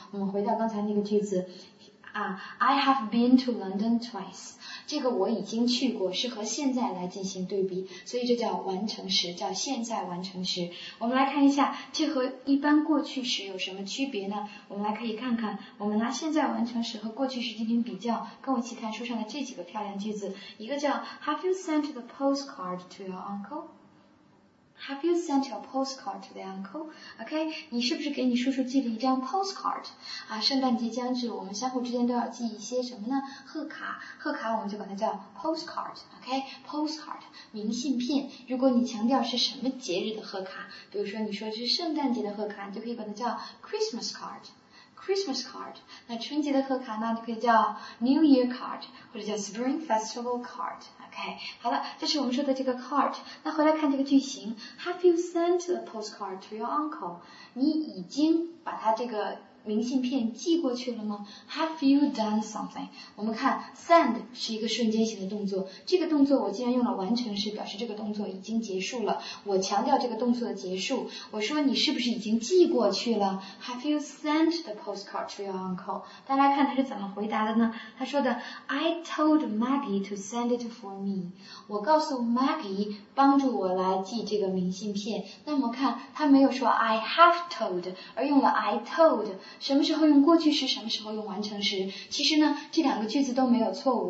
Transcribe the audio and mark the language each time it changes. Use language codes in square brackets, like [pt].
[zh] 我们回到刚才那个句子啊， [en] I have been to London twice, [zh] 这个我已经去过是和现在来进行对比，所以这叫完成时，叫现在完成时。我们来看一下这和一般过去时有什么区别呢？我们来可以看看，我们拿现在完成时和过去时进行比较，跟我一起看书上的这几个漂亮句子。一个叫 [en] Have you sent the postcard to your uncle? Have you sent your postcard to the uncle? [zh] OK, 你是不是给你叔叔寄了一张 postcard? 啊，圣诞节将至，我们相互之间都要寄一些什么呢？贺卡，贺卡我们就管它叫 postcard, OK, postcard, 明信片。如果你强调是什么节日的贺卡，比如说你说这是圣诞节的贺卡，你就可以管它叫 Christmas card, Christmas card。那春节的贺卡呢，就可以叫 New Year card, 或者叫 Spring Festival card。 Okay, 好了，这是我们说的这个 card。那回来看这个句型， [en] Have you sent a postcard to your uncle? [zh] 你已经把他这个明信片寄过去了吗？ [en] Have you done something? [zh] 我们看 send 是一个瞬间型的动作，这个动作我既然用了完成时，表示这个动作已经结束了，我强调这个动作的结束，我说你是不是已经寄过去了？ [en] Have you sent the postcard to your uncle? [zh] 大家来看他是怎么回答的呢？他说的 [en] I told Maggie to send it for me, [zh] 我告诉 Maggie 帮助我来寄这个明信片。那么看他没有说 I have told, 而用了 I told, 什么时候用过去式，什么时候用完成时。其实呢，这两个句子都没有错误。